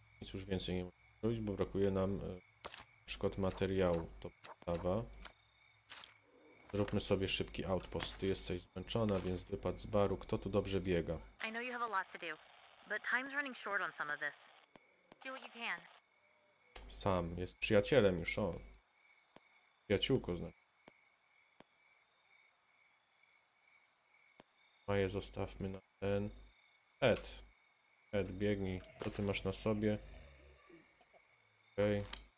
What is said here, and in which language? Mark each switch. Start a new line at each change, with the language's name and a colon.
Polish: Nic już więcej nie możemy zrobić, bo brakuje nam na przykład materiału. To podstawa. Zróbmy sobie szybki outpost. Ty jesteś zmęczona, więc wypadł z baru. Kto tu dobrze biega?
English: I know you have a lot to do, but time's running short on some of this. Do what you can.
Polish: Sam jest przyjacielem już, o. Przyjaciółko znaczy. Maję zostawmy na ten. Ed. Ed, biegnij. Co ty masz na sobie? Okej. Okay.